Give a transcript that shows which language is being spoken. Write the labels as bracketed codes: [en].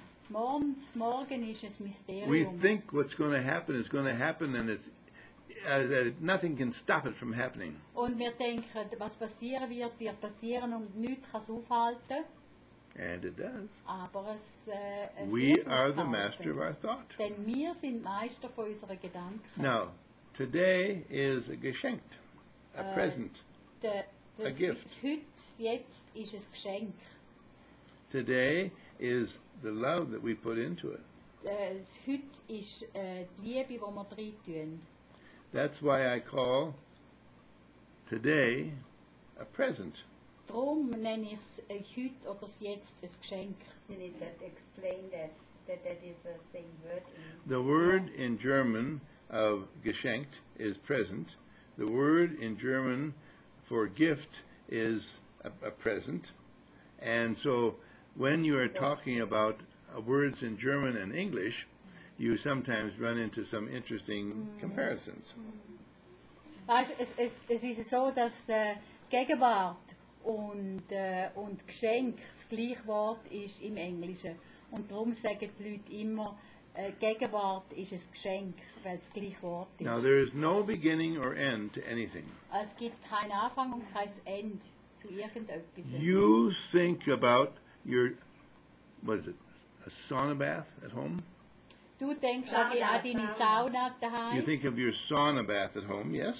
[de] Morgen ist es Mysterium. [en] We think what's going to happen is going to happen and it's nothing can stop it from happening. [de] Und wir denken, was passieren wird, wird passieren und nichts kann es aufhalten. [en] And it does. [de] Aber es [en] we are the master of our thought. [de] Denn wir sind Meister von unseren Gedanken. [en] Now, today is a Geschenk, a present, a gift. [de] Jetzt ist es Geschenk. [en] Today is the love that we put into it. [de] Heute ist die Liebe, die wir reintun. [en] That's why I call today a present. [de] Darum nenne ich es heute oder jetzt ein Geschenk. [en] You need to explain that is the same word. The word in German of geschenkt is present. The word in German for gift is a present. And so when you are talking about words in German and English, you sometimes run into some interesting comparisons. [de] Es ist so, dass Gegenwart und Geschenk das gleiche Wort ist im Englischen. Und darum sagen die Leute immer, Gegenwart ist ein Geschenk, weil es gleich Wort ist. [en] Now, there is no beginning or end to anything. [de] Es gibt keinen Anfang und kein Ende zu irgendetwas. [en] You think about your, what is it, a sauna bath at home? [de] Du denkst sauna, an deine sauna daheim. [en] You think of your sauna bath at home, yes?